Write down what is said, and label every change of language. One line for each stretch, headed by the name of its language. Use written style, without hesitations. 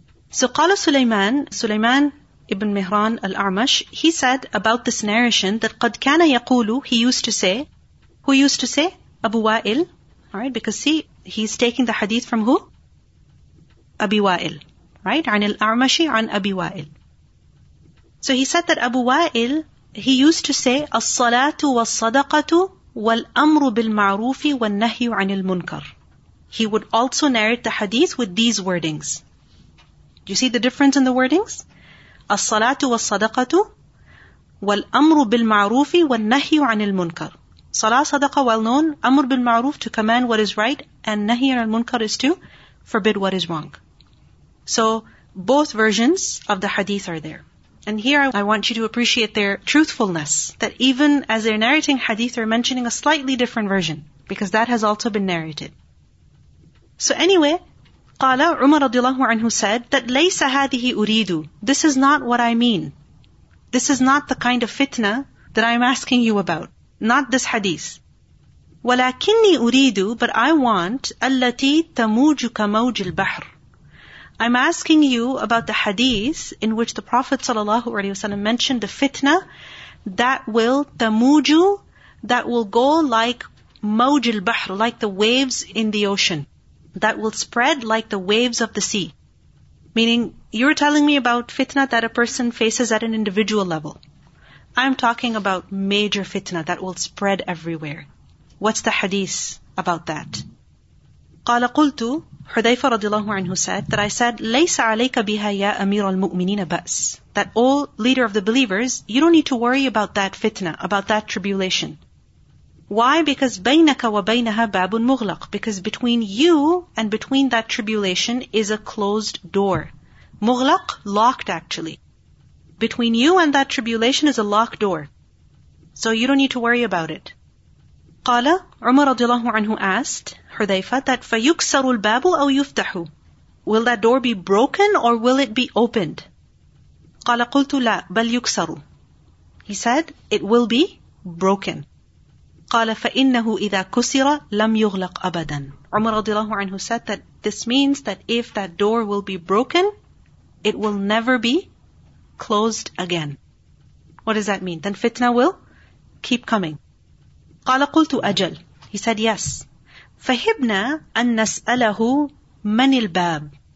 English: So قال سليمان, سليمان ibn Mihran al-Armash, he said about this narration that قد كان يقول, he used to say, who used to say? Abu Wa'il. Alright, because see, he's taking the hadith from who?
Arabic: Abi Wa'il. Right? عن الأعمشي عن أبي وائل.
English: So he said that Abu Wa'il, he used to say, الصلاة والصدقة والأمر بالمعروف والنهي عن المنكر. He would also narrate the hadith with these wordings. You see the difference in the wordings?
Arabic: الصلاة والصدقة والأمر بالمعروف والنهي عن المنكر.
English: صلاة صدقة well known. أمر بالمعروف, to command what is right. And نهي عن المنكر is to forbid what is wrong. So both versions of the hadith are there. And here I want you to appreciate their truthfulness. That even as they're narrating hadith, they're mentioning a slightly different version. Because that has also been narrated.
Arabic: So anyway, قال عمر رضي الله عنه said that ليس هذه أريد.
English: This is not what I mean. This is not the kind of fitna that I'm asking you about. Not this hadith.
Arabic: ولكني أريد, but I want, التي تموج كموج البحر.
English: I'm asking you about the hadith in which the Prophet sallallahu alaihi wasallam mentioned the fitna that will tamuju, that will go like mawj al-bahr, like the waves in the ocean, that will spread like the waves of the sea. Meaning, you're telling me about fitna that a person faces at an individual level. I'm talking about major fitna that will spread everywhere. What's the hadith about that?
Arabic: قال قلت, حذيفة رضي الله عنه said, that I said, ليس عليك بها يا أمير المؤمنين بأس.
English: That, O leader of the believers, you don't need to worry about that fitna, about that tribulation. Why?
Arabic: Because بينك وبينها باب مغلق.
English: Because between you and between that tribulation is a closed door. مغلق, locked actually. Between you and that tribulation is a locked door. So you don't need to worry about it.
Arabic: قال عمر رضي الله عنه asked حذيفة that فيكسر الباب أو يفتح.
English: Will that door be broken or will it be opened? قال قلت لا بل يكسر. He said it will be broken.
Arabic: قال فإنه إذا كسر لم يغلق أبدا.
English: عمر رضي الله عنه said that this means that if that door will be broken, it will never be closed again. What does that mean? Then fitna will keep coming. قال قلت أجل. He said yes.
Arabic: فهبنا أن نسأله من الباب.